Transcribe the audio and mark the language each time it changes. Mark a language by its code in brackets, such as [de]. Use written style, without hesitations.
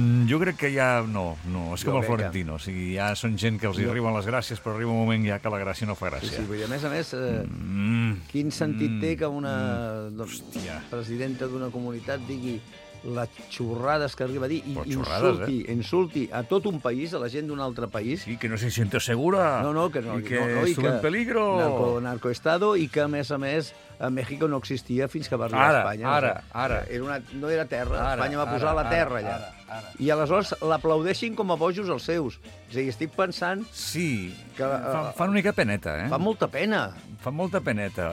[ca] Jo crec que ja no, és com el Florentino, o sigui, ja són gent que els hi arriben les gràcies, però arriba un moment ja que la gràcia no fa gràcia. Sí, vull dir, a més, quin sentit té que una presidenta d'una comunitat digui les xurrades que arriba a dir i insulti a tot un país, a la gent d'un altre país. [es] Sí, que no se siente segura. No, que estuvo en peligro. [ca] Narcoestado, i que, a més, a México no existia fins que va arribar ara, a Espanya. Ara. Espanya va posar la terra allà. I aleshores l'aplaudeixin com a bojos els seus. És a dir, estic pensant... Sí, que, fan una mica peneta, eh? Fan molta peneta.